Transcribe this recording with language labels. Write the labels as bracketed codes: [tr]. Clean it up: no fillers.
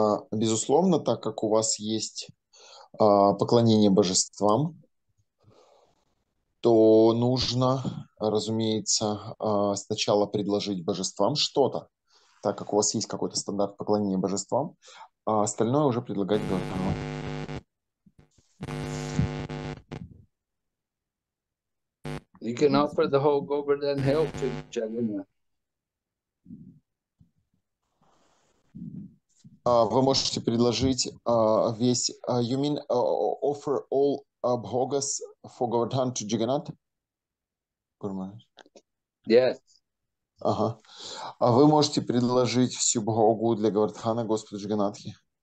[ru] Безусловно, так как у вас есть поклонение божествам, то нужно, разумеется, сначала предложить божествам что-то, так как у вас есть какой-то стандарт поклонения божествам, а остальное уже предлагать Богам. [en] You can offer the whole Govardhan hill to Jagannath. [ru] Вы можете предложить весь... [en] you mean offer all bhogas for Govardhan to Jagannath? Yes. [ru] Ага. А вы можете предложить всю бхогу для Говардхана Господу Джаганатхи?